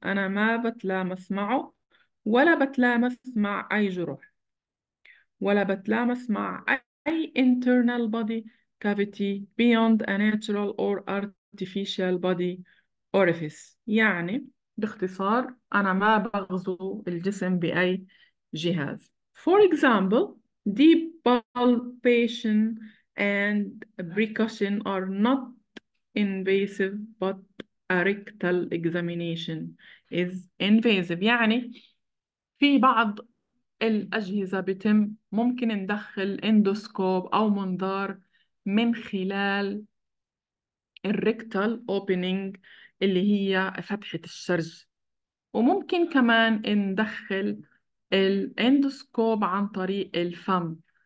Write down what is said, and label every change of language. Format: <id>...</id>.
<ar>أنا ما بتلامس معه ولا بتلامس مع أي جروح ولا بتلامس مع أي</ar> <en>internal body cavity beyond a natural or artificial body orifice.</en> <ar>يعني باختصار أنا ما بغزو الجسم بأي جهاز.</ar> <en>For example, deep palpation and percussion are not invasive but a rectal examination is invasive.</en> <ar>يعني في بعض الأجهزة بتم ممكن ندخل اندوسكوب أو منظار من خلال الريكتال اوبنينج اللي هي فتحة الشرج، وممكن كمان ندخل الاندوسكوب عن طريق الفم.</ar>